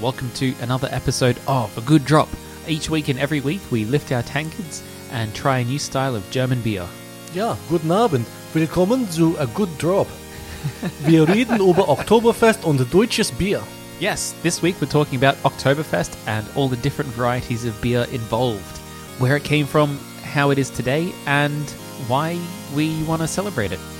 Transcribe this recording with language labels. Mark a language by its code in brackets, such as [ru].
[en] Welcome to another episode of A Good Drop. Each week and every week, we lift our tankards and try a new style of German beer. [de] Ja, guten Abend. Willkommen zu A Good Drop. Wir reden über Oktoberfest und deutsches Bier. [en] Yes, this week we're talking about Oktoberfest and all the different varieties of beer involved, where it came from, how it is today, and why we want to celebrate it.